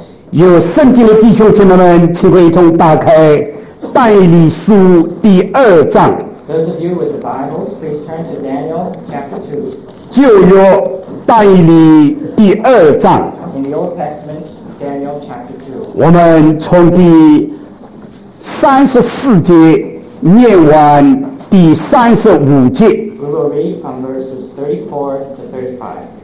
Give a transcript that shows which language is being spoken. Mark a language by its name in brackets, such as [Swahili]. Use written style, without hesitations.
[Chinese] 有圣经的弟兄姐妹们，请会一同打开但以理书第二章。 [English] Those of you with the Bibles, please turn to Daniel chapter 2. [Chinese] 旧约但以理第二章。 [English] In the Old Testament, Daniel chapter 2. [Chinese] 我们从第三十四节念完第三十五节。 [English] We will read from verses 34 to 35.